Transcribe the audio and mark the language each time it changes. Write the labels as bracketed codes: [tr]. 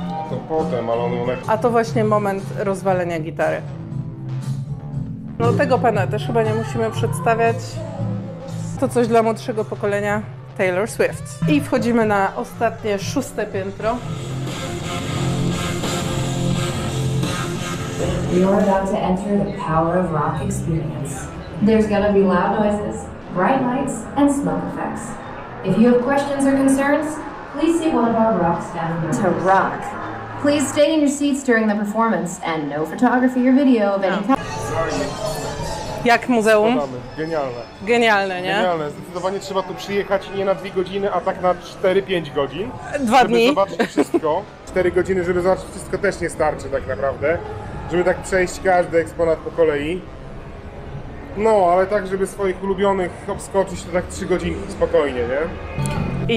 [pl] To potem, ale on lekko. A to właśnie moment rozwalenia gitary. No tego pana też chyba nie musimy przedstawiać. To coś dla młodszego pokolenia, Taylor Swift. I wchodzimy na ostatnie, szóste piętro. [en] You are about to enter the power of rock experience. There's gonna be loud noises, bright lights, and smoke effects. If you have questions or concerns, please see one of our rock staff members. To rock. Please stay in your seats during the performance, and no photography or video of any kind. [pl] Jak muzeum? Genialne. Genialne, nie? Genialne. Zdecydowanie trzeba tu przyjechać nie na 2 godziny, a tak na 4-5 godzin. Dwa dni. Żeby zobaczyć wszystko. 4 godziny, żeby zobaczyć wszystko, też nie starczy tak naprawdę. Żeby tak przejść każdy eksponat po kolei. No, ale tak, żeby swoich ulubionych obskoczyć, to tak 3 godzinki spokojnie, nie?